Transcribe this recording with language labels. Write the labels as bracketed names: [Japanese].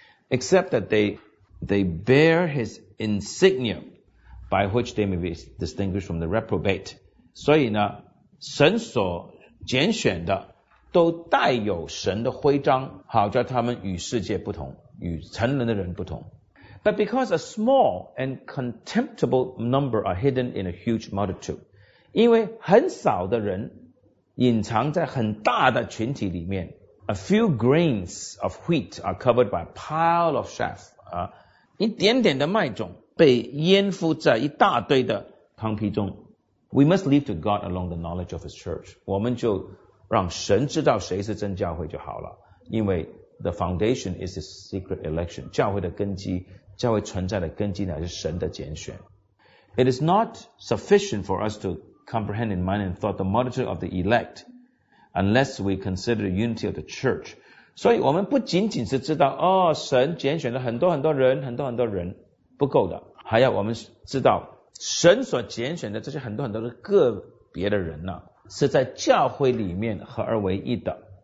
[English] Except that they bear his insignia by which they may be distinguished from the reprobate， [Chinese] 所以呢神所拣选的都带有神的徽章，好叫他们与世界不同，与成人的人不同。 [English] But because a small and contemptible number are hidden in a huge multitude， [Chinese] 因为很少的人隐藏在很大的群体里面， [English] A few grains of wheat are covered by a pile of chaff， [Chinese] 一点点的麦种被淹覆在一大堆的糠皮中。 [English] We must leave to God alone the knowledge of his church， [Chinese] 我们就让神知道谁是真教会就好了。因为 [English] the foundation is his secret election， [Chinese] 教会的根基，教会存在的根基乃是神的拣选。 [English] It is not sufficient for us to comprehend in mind and thought the multitude of the elect unless we consider the unity of the church， [Chinese] 所以我们不仅仅是知道神拣选了很多很多人，很多很多人不够的，还要我们知道神所拣选的这些很多很多的个别的人呢，是在教会里面合而为一的。